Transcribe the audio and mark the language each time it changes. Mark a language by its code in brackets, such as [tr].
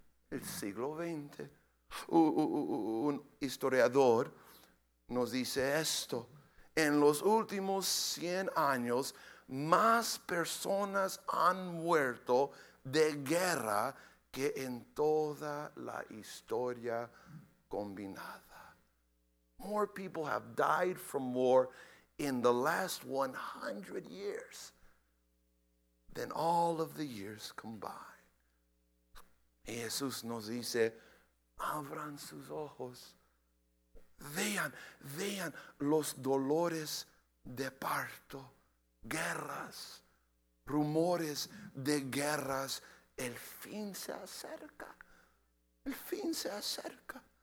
[es] El siglo XX. Un historiador nos dice esto: en los últimos 100 años, más personas han muerto de guerra que en toda la historia combinada. [en] More people have died from war in the last 100 years than all of the years combined. [es] Y Jesús nos dice: abran sus ojos, vean los dolores de parto, guerras, rumores de guerras. El fin se acerca, el fin se acerca.